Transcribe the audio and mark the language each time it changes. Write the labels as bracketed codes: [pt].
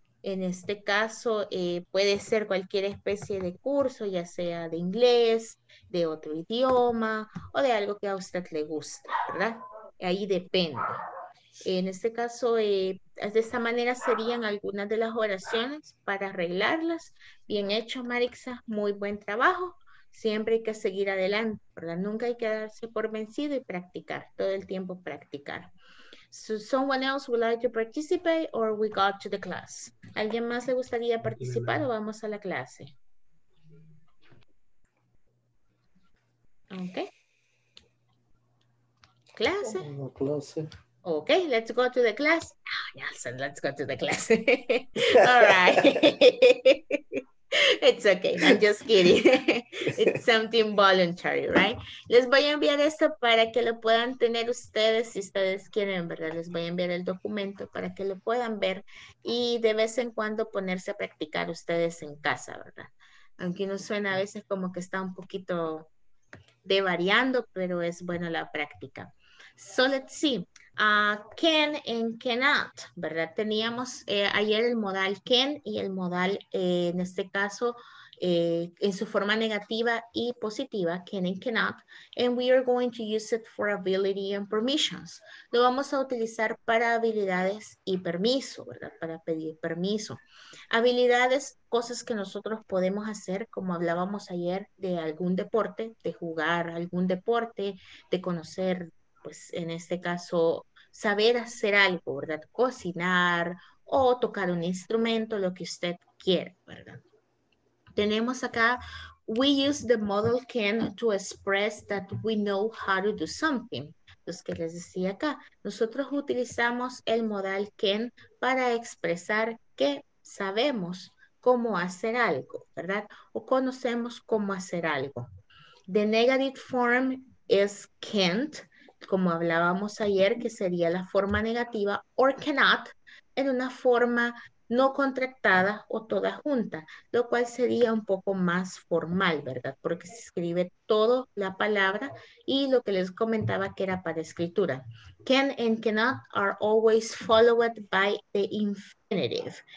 [es] En este caso, puede ser cualquier especie de curso, ya sea de inglés, de otro idioma, o de algo que a usted le guste, ¿verdad? Ahí depende. En este caso, de esta manera serían algunas de las oraciones para arreglarlas. Bien hecho, Marixa. Muy buen trabajo. Siempre hay que seguir adelante, ¿verdad? Nunca hay que darse por vencido y practicar. Todo el tiempo practicar. [en] So someone else would like to participate, or we go to the class. [es] ¿Alguien más le gustaría participar o vamos a la clase? [en] Okay. Clase. Okay, let's go to the class. Oh, Nelson, let's go to the class. All right. It's okay, I'm just kidding. It's something voluntary, right? [es] Les voy a enviar esto para que lo puedan tener ustedes si ustedes quieren, ¿verdad? Les voy a enviar el documento para que lo puedan ver y de vez en cuando ponerse a practicar ustedes en casa, ¿verdad? Aunque no suena a veces como que está un poquito de variando, pero es bueno la práctica. [en] So let's see. Can and cannot, ¿verdad? [es] Teníamos ayer el modal can y el modal, en este caso, en su forma negativa y positiva, can and cannot. [en] And we are going to use it for ability and permissions. [es] Lo vamos a utilizar para habilidades y permiso, ¿verdad? Para pedir permiso. Habilidades, cosas que nosotros podemos hacer, como hablábamos ayer, de algún deporte, de jugar algún deporte, de conocer, pues en este caso, saber hacer algo, ¿verdad? Cocinar o tocar un instrumento, lo que usted quiera, ¿verdad? Tenemos acá, [en] we use the modal can to express that we know how to do something. [es] Entonces, ¿qué les decía acá? Nosotros utilizamos el modal can para expresar que sabemos cómo hacer algo, ¿verdad? O conocemos cómo hacer algo. [en] The negative form is can't, [es] como hablábamos ayer, que sería la forma negativa, [en] or cannot, [es] en una forma no contractada o toda junta, lo cual sería un poco más formal, ¿verdad? Porque se escribe toda la palabra y lo que les comentaba que era para escritura. [en] Can and cannot are always followed by the infinitive.